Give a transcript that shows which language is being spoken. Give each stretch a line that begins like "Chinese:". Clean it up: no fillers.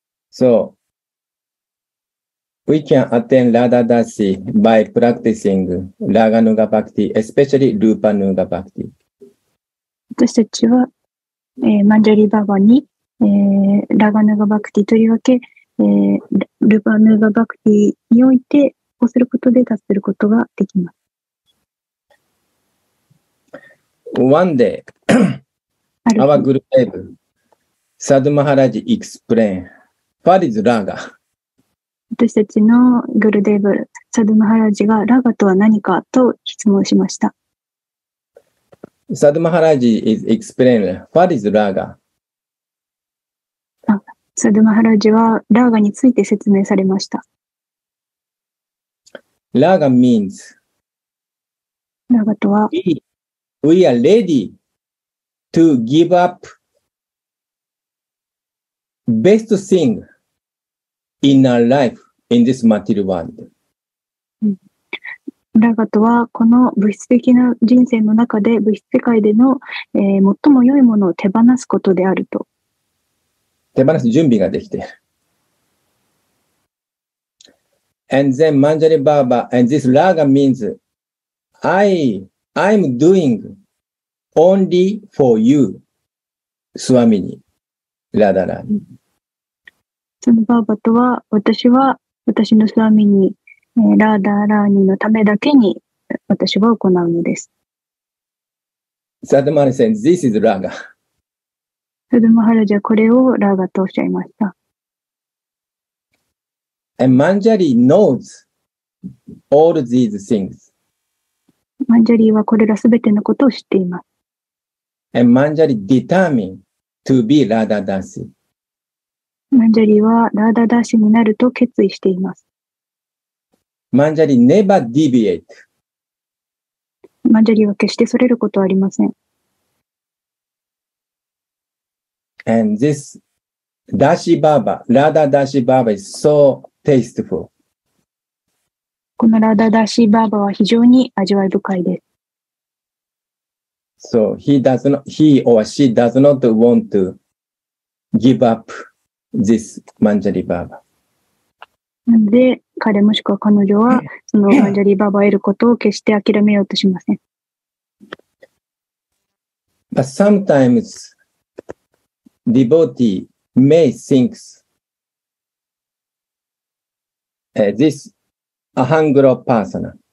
English: So, we can attain ラダダーシー by practicing ラガヌガバクティ especially ルーパヌガバクティ。
Japanese: 私たちは、マンジャリバーバに、ラガヌガバクティとりわけ、ルーパヌガバクティにおいてこうすることで達することができます。
English: One day our group have Sadhu Maharaj explain what is Raga.
Japanese: 私たちのグルデーブ Sadhu Maharaj がラガとは何かと質問しました。
English: Sadhu Maharaj is explain what is Raga.
Japanese: Sadhu Maharaj はラガについて説明されました。
English: ラガ means
Japanese: ラガとは
English: we are ready to give up best thing in our life in this material world.
Japanese: ラガとはこの物質的な人生の中で物質世界での、最も良いものを手放すことであると。手放す準備ができている。
English: And then Manjari Baba, and this Raga means I'm doing only for you, Swamini, Radharani.
Japanese: そのバーバとは、私は私のスワミニ、ラーダーラーニのためだけに私は行うのです。
English: Sadhu Maharaj says, this is Raga.
Japanese: Sadhu Maharaj はこれをラーガとおっしゃいました。
English: And Manjari knows all these things.
Japanese: Manjari はこれらすべてのことを知っています。
English: And Manjari determined to be Radha Dasi.
Japanese: マンジャリはラーダダーシになると決意しています。
English: マンジャリ never deviate。
Japanese: マンジャリは決してそれることはありません。
English: And this ダシバーバ、ラーダダシバーバ is so tasteful。
Japanese: このラーダダシバーバは非常に味わい深いです。
English: So he does not, he or she does not want to give up this マンジャリバーバ。
Japanese: なので彼もしくは彼女はそのマンジャリバーバを得ることを決して諦めようとしません。
English: But sometimes devotee may think this a hangro persona。